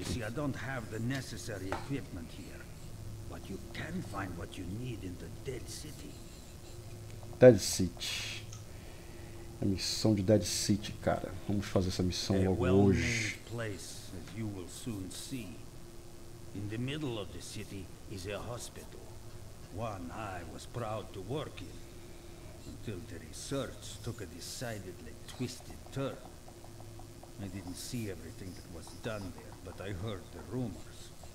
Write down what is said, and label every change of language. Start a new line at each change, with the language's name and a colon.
English: You see, I don't have the necessary equipment here. But you can find what you need in the Dead City. Dead City.
Portuguese: A missão de Dead City, cara. Vamos fazer essa missão logo hoje.
English: Place, as you will soon see. In the middle of the city is a hospital. One I was proud to work in. Until the research took a decidedly twisted turn. I didn't see everything that was done there, but I heard the rumors.